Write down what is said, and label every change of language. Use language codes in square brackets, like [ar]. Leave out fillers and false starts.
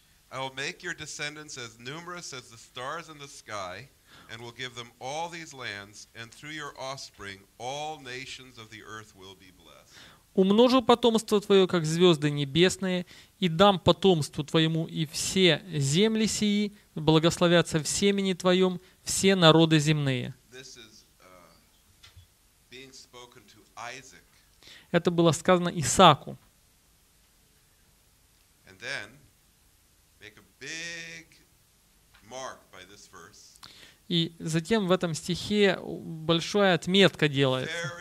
[en] I will make your descendants as numerous as the stars in the sky, and will give them all these lands, and through your offspring all nations of the earth will be blessed. [ru] Умножу потомство твое, как звезды небесные, и дам потомству твоему, и все земли сии благословятся в семени твоем все народы земные. [en] This is, being spoken to Isaac. [ru] Это было сказано Исааку. [en] And then make a big mark by this verse. [ru] И затем в этом стихе большая отметка делается.